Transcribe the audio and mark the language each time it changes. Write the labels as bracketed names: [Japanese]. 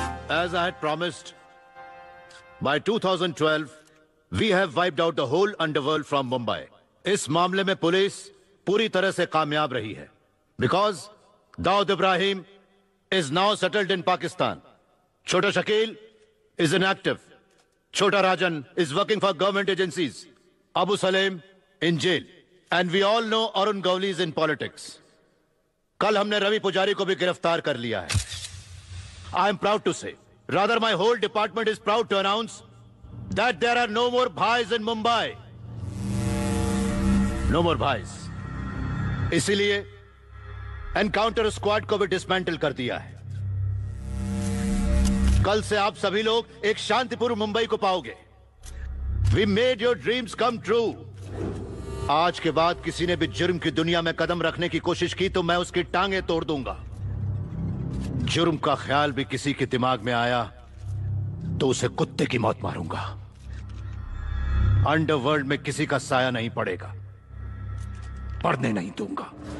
[English] As I had promised, by 2012, we have wiped out the whole underworld from Mumbai. [Hindi] इस मामले में police पूरी तरह से कामयाब रही है, [English] because Daud Ibrahim is now settled in Pakistan. Chhota Shakeel is inactive. Chhota Rajan is working for government agencies. Abu Saleem in jail. And we all know Arun Gawli is in politics. [Hindi] कल हमने रवि पुजारी को भी गिरफ्तार कर लिया है. [English] I am proud to say, rather my whole department is proud to announce that there are no more bhais in Mumbai. No more bhais. [Hindi] इसीलिए encounter squad को भी dismantle कर दिया है. कल से आप सभी लोग एक शांतिपूर्ण मुंबई को पाओगे. [English] We made your dreams come true. [Hindi] आज के बाद किसी ने भी जुर्म की दुनिया में कदम रखने की कोशिश की तो मैं उसकी टांगे तोड़ दूंगा. जुर्म का ख्याल भी किसी के दिमाग में आया तो उसे कुत्ते की मौत मारूंगा. अंडरवर्ल्ड में किसी का साया नहीं पड़ेगा, पड़ने नहीं दूंगा.